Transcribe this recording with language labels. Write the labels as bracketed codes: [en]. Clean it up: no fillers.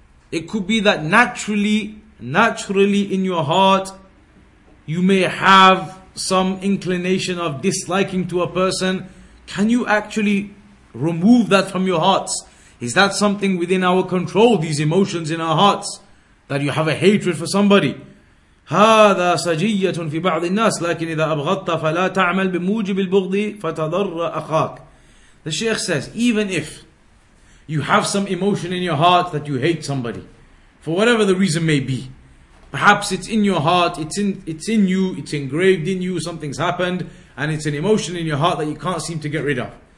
[en] It could be that naturally in your heart, you may have some inclination of disliking to a person. Can you actually remove that from your hearts? Is that something within our control, these emotions in our hearts, that you have a hatred for somebody? [ar] هذا سجية في بعض الناس لكن إذا أبغضت فلا تعمل بموجب البغض فتضر أخاك. [en] The Shaykh says, even if you have some emotion in your heart that you hate somebody, for whatever the reason may be, perhaps it's in your heart, it's in you, it's engraved in you, something's happened, and it's an emotion in your heart that you can't seem to get rid of.